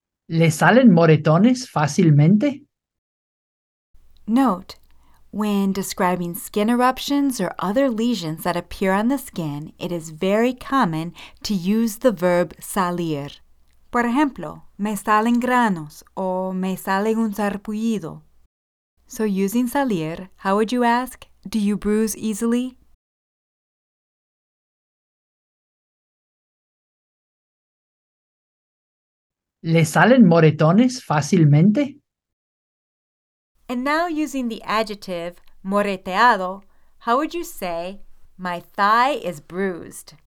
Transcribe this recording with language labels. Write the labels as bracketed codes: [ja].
[es] ¿Le salen moretones fácilmente? [en] Note, When describing skin eruptions or other lesions that appear on the skin, it is very common to use the verb salir. [es] Por ejemplo, me salen granos o me sale un sarpullido. [en] So using salir, how would you ask, do you bruise easily? [es] ¿Le salen moretones fácilmente? [en] And now using the adjective moreteado, how would you say, my thigh is bruised?